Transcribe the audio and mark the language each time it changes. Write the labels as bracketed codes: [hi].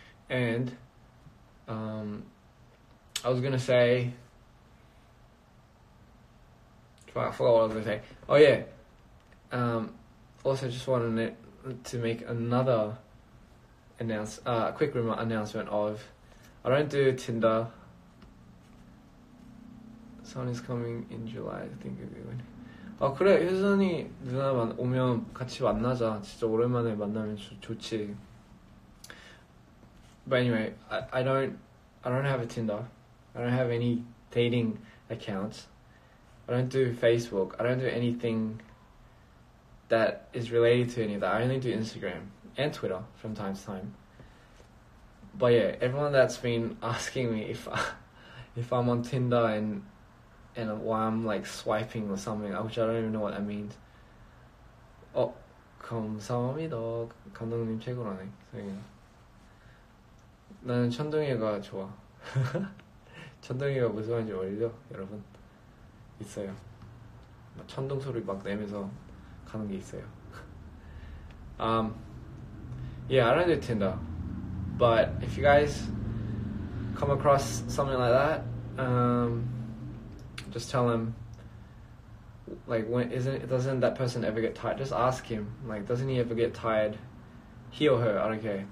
[en] And I was gonna say, well, I forgot what I was gonna say. Oh yeah. Also, just wanted to make another announce quick rumor announcement of I don't do Tinder. Sun is coming in July, I think it'll be when. [ko] 아 그래, 효선이 누나 오면 같이 만나자. 진짜 오랜만에 만나면 좋지. [en] But anyway, I don't have a Tinder. I don't have any dating accounts. I don't do Facebook. I don't do anything that is related to any of that. I only do Instagram and Twitter from time to time. But yeah, everyone that's been asking me if I'm on Tinder and why I'm like swiping or something, which I don't even know what that means. [ko] Oh, 감사합니다. 감독님 최고라네. 나는 천둥이가 좋아. 천둥이가 무슨 말인지 어울려, 여러분? 있어요. 천둥 소리 막 내면서 가는 게 있어요. [en] Yeah, I don't do Tinder. But if you guys come across something like that, just tell him. Like, when isn't doesn't that person ever get tired? Just ask him. Like, doesn't he ever get tired? He or her, I don't care.